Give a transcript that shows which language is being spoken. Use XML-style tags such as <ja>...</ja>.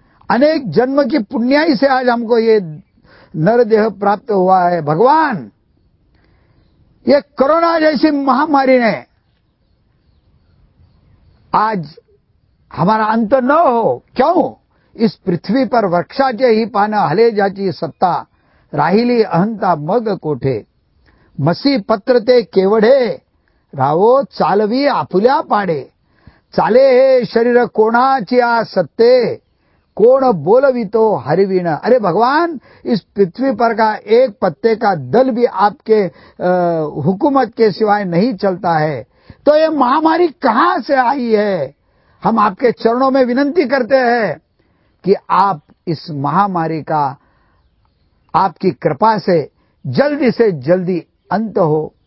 <hi>अनेक जन्म की पुण्याई से आज हमको ये नर देह प्राप्त हुआ है। भगवान ये कोरोना जैसी महामारी ने आज हमारा अंत न हो, क्यों?</hi> <mr>इस पृथ्वी पर वृक्षाचे ही पान हले जाची सत्ता राहिली अहंता मग कोठे, मसी पत्र ते केवड़े रावो चालवी आपुल्या पाड़े, चाले हे शरीर कोणाचिया सत्ते कोण बोलवी तो हरिवीण।</mr> <hi>अरे भगवान, इस पृथ्वी पर का एक पत्ते का दल भी आपके हुकूमत के सिवाय नहीं चलता है, तो ये महामारी कहां से आई है? हम आपके चरणों में विनंती करते हैं कि आप इस महामारी का आपकी कृपा से जल्दी अंत हो।</hi>